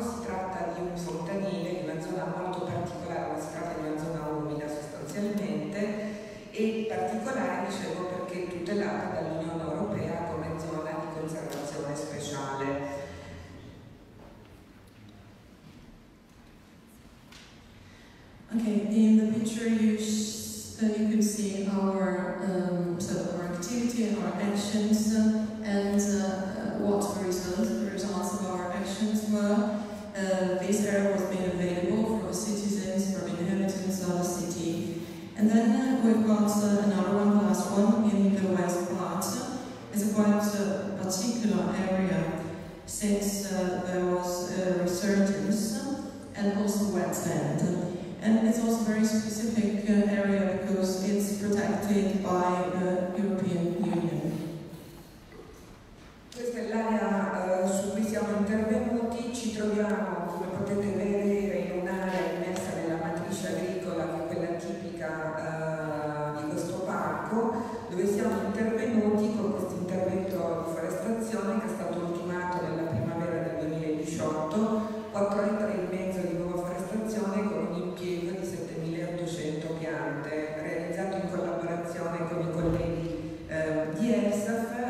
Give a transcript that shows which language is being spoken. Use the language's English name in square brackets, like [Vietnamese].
[Italian] Si tratta di un fontanile di una zona molto particolare, si tratta di una zona umida sostanzialmente, e particolare, dicevo, perché tutelata dall'Unione Europea come zona di conservazione speciale. [English] Okay, in the picture you can see our our activity and our actions and what the results of our actions were. This area was made available for citizens, for inhabitants of the city. And then we've got another one, the last one, in the west part. It's a quite particular area since there was a resurgence and also wetland. And it's also a very specific area because it's protected by the European Union. [Italian] Questa è l'area su cui siamo intervenuti. Ci troviamo, come potete vedere, in un'area immersa nella matrice agricola, che è quella tipica di questo parco, dove siamo intervenuti con questo intervento di forestazione che è stato ultimato nella primavera del 2018, 4 ettari e mezzo di nuova forestazione con un impiego di 7.800 piante, realizzato in collaborazione con i colleghi di ESAF.